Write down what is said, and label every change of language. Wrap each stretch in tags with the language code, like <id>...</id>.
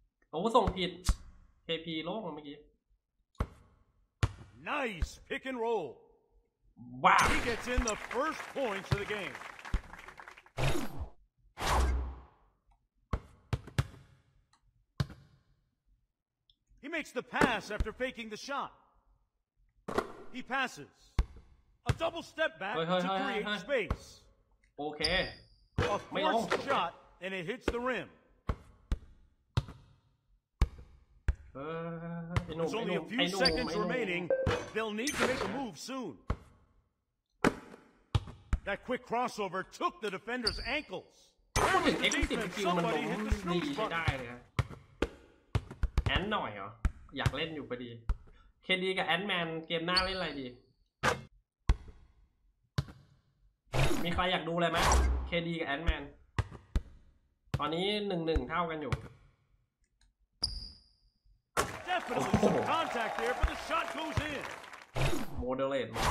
<th>โอ้ส่งผิด</th> <en>KP</en> <th>โล่งเมื่อกี้</th> <en>Nice pick and roll Wow He gets in the first points of the game He makes the pass after faking the shot He passes A double step back to create space</en> <th>โอเค</th> <en>A forced shot and it hits the rim. There's only a few seconds remaining. They'll need to make a move soon. That quick crossover took the defender's ankles. Somebody hit the snooze button.</en> <th>Ant หน่อยเหรออยากเล่นอยู่พอดี KD กับ Ant Man เกมหน้าเล่นอะไรดีมีใครอยากดูอะไรไหมKD กับ Ant-Man ตอนนี้ 1-1 เท่ากันอยู่</th> <en>Definitely some contact there but the shot goes in Modulate</en>